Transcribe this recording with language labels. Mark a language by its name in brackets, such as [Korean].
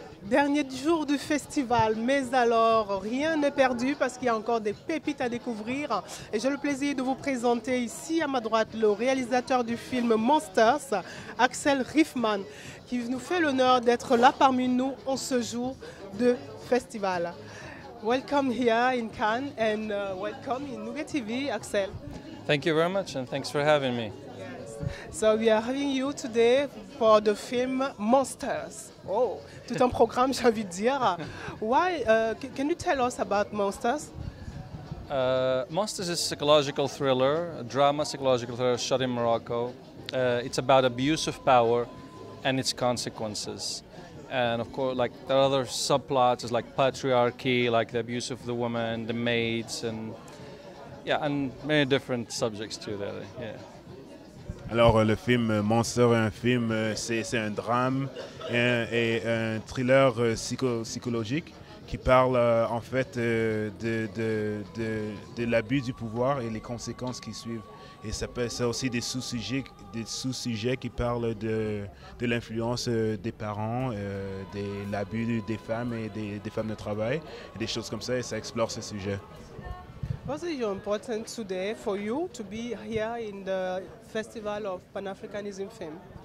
[French] premier jour du festival, mais alors rien n'est perdu parce qu'il y a encore des pépites à découvrir. Et j'ai le plaisir de vous présenter ici à ma droite le réalisateur du film Monsters, Axel Riffman, qui nous fait l'honneur d'être là parmi nous en ce jour de festival. [English] Welcome here in Cannes and welcome in Nougat TV, Axel. Thank you very much and thanks for having me. So we are having you today for the film Monsters. [French] Oh, tout un programme, j'ai envie de dire. [English] Why? Can you tell us about Monsters? Monsters is a psychological thriller, a drama psychological thriller shot in Morocco. It's about abuse of power and its consequences. And of course, like there are other subplots, like patriarchy, like the abuse of the woman, the maids, and yeah, and many different subjects too. There, yeah. [French] Alors le film Monster est un film, c'est un drame et un thriller psychologique qui parle en fait de l'abus du pouvoir et les conséquences qui suivent. Et ça peut, c'est aussi des sous-sujets qui parlent de l'influence des parents, de l'abus des femmes et des femmes de travail, et des choses comme ça, et ça explore ce sujet. [English] Was it important today for you to be here in the Festival of Pan-Africanism Film?